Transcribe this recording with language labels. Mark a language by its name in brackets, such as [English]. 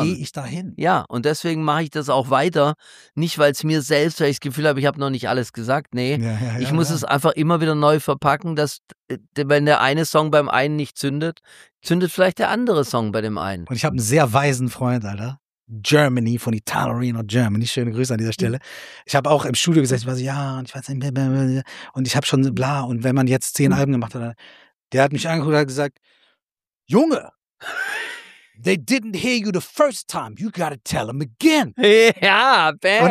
[German] gehe ich da hin. Ja, und deswegen mache ich das auch weiter. Nicht, weil es mir selbst, weil ich das Gefühl habe, ich habe noch nicht alles gesagt. Nee, ich muss es einfach immer wieder neu verpacken, dass wenn der eine Song beim einen nicht zündet, zündet vielleicht der andere Song bei dem einen. Und ich habe einen sehr weisen Freund, Alter. Germany, von Italorino Germany. Schöne Grüße an dieser Stelle. Ich habe auch im Studio gesagt, ich war so, ja, und ich weiß nicht, und ich habe schon bla, und wenn man jetzt 10 Alben gemacht hat, der hat mich angeguckt und hat gesagt, Junge, [English] they didn't hear you the first time, you gotta tell them again. [German] Ja, bam.